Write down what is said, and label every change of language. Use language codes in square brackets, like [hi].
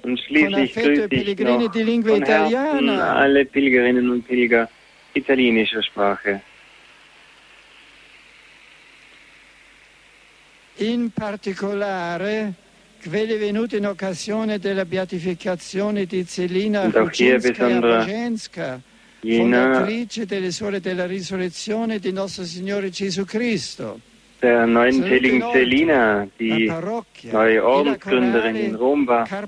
[de] und schließlich grüße ich noch von Herzen alle Pilgerinnen und Pilger italienischer Sprache. [it] In particolare quelle venute in occasione della beatificazione di Celina Ruczynska fondatrice delle Suore della Risurrezione di Nostro Signore Gesù Cristo. [de] Der neuen heiligen Celina, die neue Ordensgründerin in Rom war.